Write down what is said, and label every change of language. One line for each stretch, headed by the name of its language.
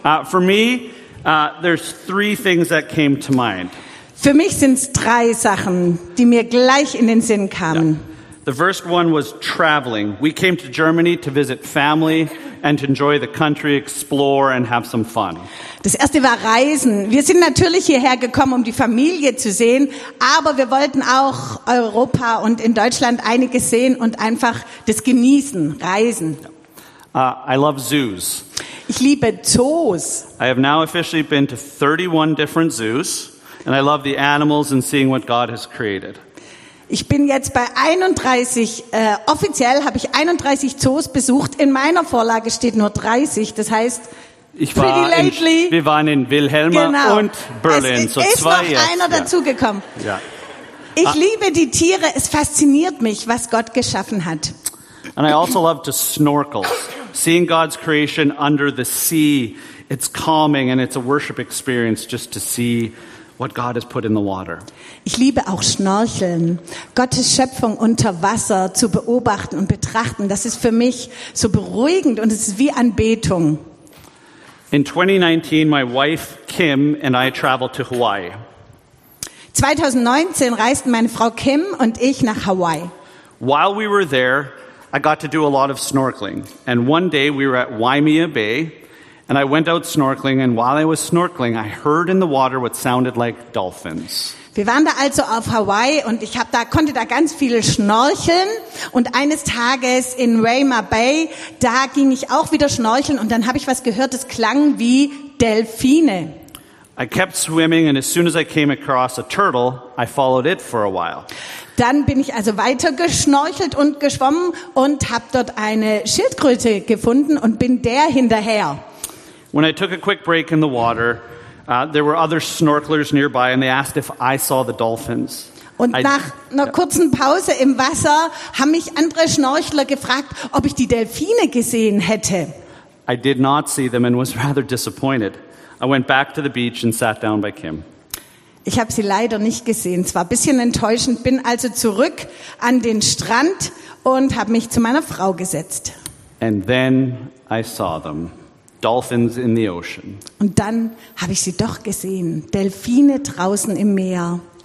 English: For me, there's 3 things that came to mind.
German: Für mich sind es 3 Sachen, die mir gleich in den Sinn kamen.
English: Yeah. The first one was traveling. We came to Germany to visit family and to enjoy the country, explore and have some fun.
German: Das erste war Reisen. Wir sind natürlich hierher gekommen, um die Familie zu sehen, aber wir wollten auch Europa und in Deutschland einiges sehen und einfach das genießen, reisen.
English: I love zoos.
German: Ich liebe Zoos.
English: I have now officially been to 31 different zoos, and I love the animals and seeing what God has created.
German: Ich bin jetzt bei 31, offiziell habe ich 31 Zoos besucht. In meiner Vorlage steht nur 30, das heißt, wir waren in Wilhelma und Berlin. Es ist noch einer dazugekommen. Ja. Ich liebe die Tiere, es fasziniert mich, was Gott geschaffen hat.
English: And I also love to snorkel. Seeing God's creation under the sea, it's calming and it's a worship experience just to see what God has put in the water.
German: Ich liebe auch Schnorcheln, Gottes Schöpfung unter Wasser zu beobachten und betrachten. Das ist für mich so beruhigend und es ist wie Anbetung.
English: In 2019, my wife Kim and I traveled to Hawaii.
German: 2019 reisten meine Frau Kim und ich nach Hawaii.
English: While we were there, I got to do a lot of snorkeling. And one day we were at Waimea Bay and I went out snorkeling and while I was snorkeling I heard in the water what sounded like dolphins.
German: Wir waren da also auf Hawaii und ich konnte da ganz viel schnorcheln. Und eines Tages in Rayma Bay, da ging ich auch wieder schnorcheln und dann habe ich was gehört, das klang wie Delfine.
English: I kept swimming and as soon as I came across a turtle, I followed it for a while.
German: Dann bin ich also weiter geschnorchelt und geschwommen und habe dort eine Schildkröte gefunden und bin der hinterher.
English: When I took a quick break in the water, there were other snorkelers nearby and they asked if I saw the dolphins.
German: Und nach einer kurzen Pause im Wasser haben mich andere Schnorchler gefragt, ob ich die Delfine gesehen hätte.
English: I did not see them and was rather disappointed. I went back to the beach and sat down by Kim.
German: Ich habe sie leider nicht gesehen. Es war ein bisschen enttäuschend. Bin also zurück an den Strand und habe mich zu meiner Frau gesetzt.
English: And then I saw them. Dolphins in the ocean.
German: Und dann habe ich sie doch gesehen, Delfine draußen im Meer.